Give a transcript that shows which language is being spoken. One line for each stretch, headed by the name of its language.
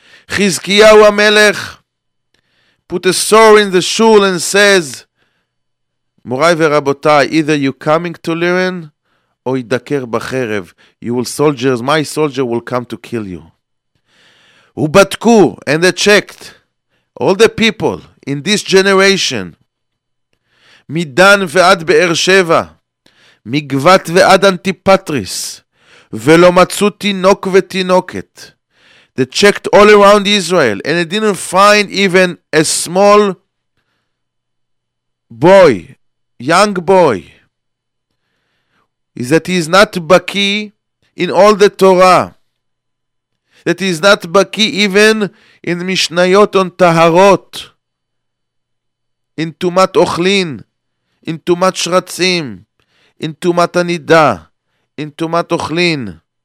English: חזקיהו המלך put a sword in the shul and says,
Hebrew: מוריי ורבותיי,
English: either you coming to learn or
Hebrew: ידקר בחרב.
English: You will soldiers, my soldier will come to kill you.
Hebrew: ובדקו,
English: and they checked all the people in this generation,
Hebrew: מדן ועד באר שבע, מגבת ועד אנטיפטריס, ולא מצאו תינוק ותינוקת.
English: They checked all around Israel and they didn't find even a small boy, young boy, that he is not baki in all the Torah, that he is not baki even in Mishnayot on Taharot, in Tumat Ochlin, in Tumat Shratzim, in Tumat Anida, in Tumat Ochlin.